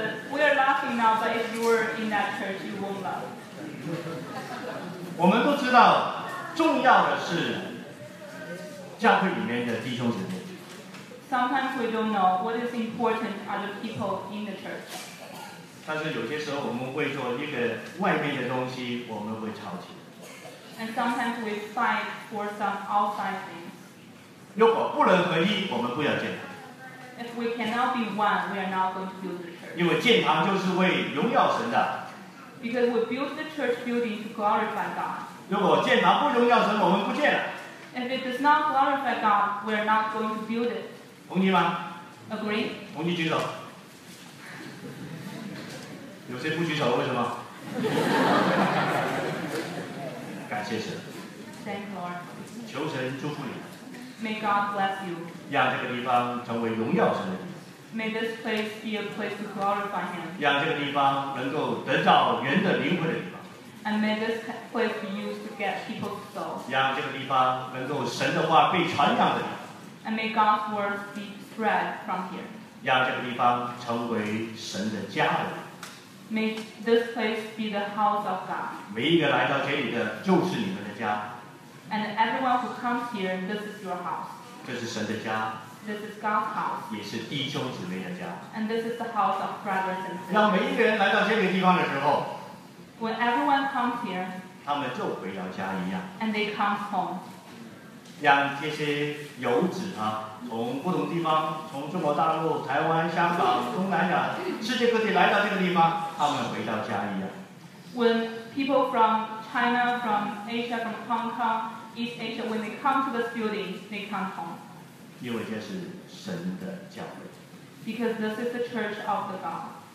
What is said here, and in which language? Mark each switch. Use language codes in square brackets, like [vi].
[en] We are laughing now, but if you were in that church, you won't laugh. [zh] 我们都知道。重要的是教会里面的弟兄姊妹。 [en] Sometimes we don't know what is important are the people in the church. [zh] 但是有些时候我们会说一个外面的东西，我们会吵起。 [en] And sometimes we fight for some outside things. [zh] 如果不能合一，我们不要建堂。 [en] If we cannot be one, we are not going to build the church. [zh] 因为建堂就是为荣耀神的。 [en] Because we build the church building to glorify God. [zh] 如果建堂不荣耀神，我们不建了。 [en] If it does not glorify God, we are not going to build it. [zh] 同意吗？ [en] Agree. [zh] 同意举手。有些不举手，为什么？感谢神。 [en] Thank Lord. [zh] 求神祝福你。 [en] May God bless you. [zh] 让这个地方成为荣耀神的地方。 [en] May this place be a place to glorify Him. [zh] 让这个地方能够得到人的灵魂的地方。 [en] And may this place be used to get people's souls. [zh] 让这个地方能够神的话被传扬的地方。 [en] And may God's word be spread from here. [zh] 让这个地方成为神的家的地方。 [en] May this place be the house of God. [zh] 每一个来到这里的就是你们的家。 [en] And everyone who comes here, this is your house. [zh] 这是神的家。 [en] This is God's house. [zh] 也是弟兄姊妹的家。 [en] And this is the house of brothers and sisters. [zh] 让每一个人来到这个地方的时候。 [en] When everyone comes here. [zh] 他们就回到家一样。 [en] And they come home. [zh] 让这些游子啊，从不同地方，从中国大陆、台湾、香港、东南亚、世界各地来到这个地方，他们回到家一样。 [en] When people from China, from Asia, from Hong Kong, East Asia, when they come to this building, they come home. [zh] 因为这是神的教会。 [en] Because this is the church of the God.